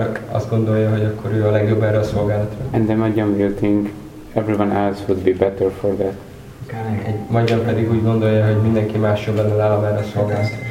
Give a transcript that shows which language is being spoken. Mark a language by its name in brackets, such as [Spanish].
[Hungarian] Azt gondolja, hogy akkor ő a legjobb erre a szolgálatra. [English] And the Madhyam will think everyone else would be better for that. [Hungarian] Madhyam pedig úgy gondolja, hogy mindenki más jobb lenne lála erre a szolgálatra.